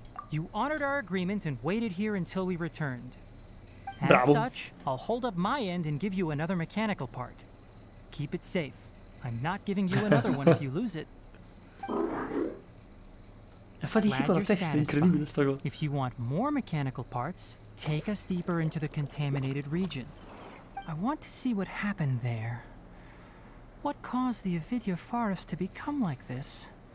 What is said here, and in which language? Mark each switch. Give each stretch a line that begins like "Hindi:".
English: You honored our agreement and waited here until we returned.
Italian: Bravo.
English: As such, I'll hold up my end and give you another mechanical part. Keep it safe. I'm not giving you another one if you lose it.
Italian: Fa di sì con la testa, è incredibile sta cosa.
English: If you want more mechanical parts, take us deeper into the contaminated region. I want to see what happened there. What caused the Ovidia Forest to become like this?